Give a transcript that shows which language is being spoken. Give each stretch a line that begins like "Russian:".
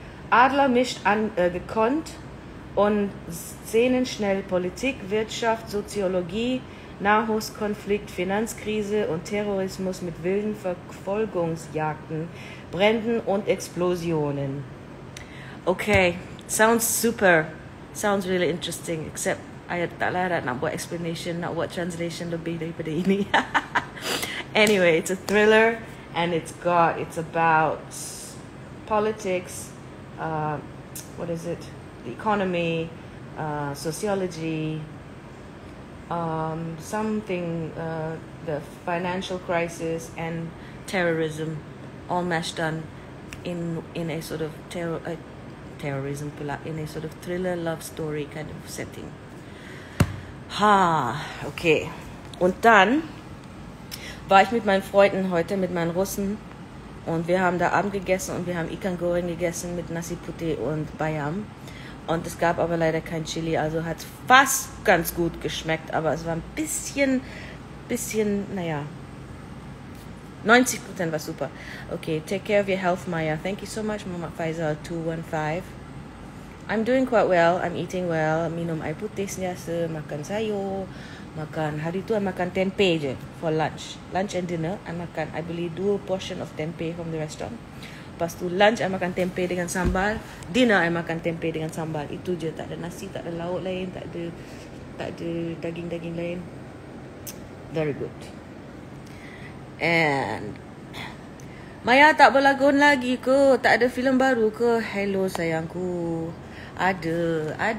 German: Adler mischt an, gekonnt und szenenschnell Politik, Wirtschaft, Soziologie, Nahostkonflikt, Finanzkrise und Terrorismus mit wilden Verfolgungsjagden, Bränden und Explosionen.
English: Okay, sounds super. Sounds really interesting, except I had that not what explanation, not what translation would be there. Anyway, it's a thriller and it's about politics, what is it? The economy, sociology, something, the financial crisis and terrorism, all meshed on in a sort of terrorism, in a sort of thriller love story kind of setting. Ha, okay.
German: Und dann war ich mit meinen Freunden heute, mit meinen Russen, und wir haben da Abend gegessen und wir haben Ikan Goreng gegessen mit Nasi Putih und Bayam. Und es gab aber leider kein Chili, also hat fast ganz gut geschmeckt, aber es war ein bisschen, naja, 90% war super.
English: Okay, take care of your health, Maya. Thank you so much, Mama Faisal 215. I'm doing quite well, I'm eating well,
Malay: minum air putih senyasa, makan sayur, makan, hari tu I makan tempeh je
English: for lunch. Lunch and dinner, I
Malay: makan,
English: I
Malay: beli
English: 2 portion of tempeh from the restaurant.
Malay: Lepas tu lunch, I makan tempeh dengan sambal. Dinner, I makan tempeh dengan sambal. Itu je, tak ada nasi, tak ada lauk lain, tak ada daging-daging lain.
English: Very good.
Malay: And Maya tak berlagun lagi ke? Tak ada filem baru ke?
English: Hello
Malay: sayangku. Ada.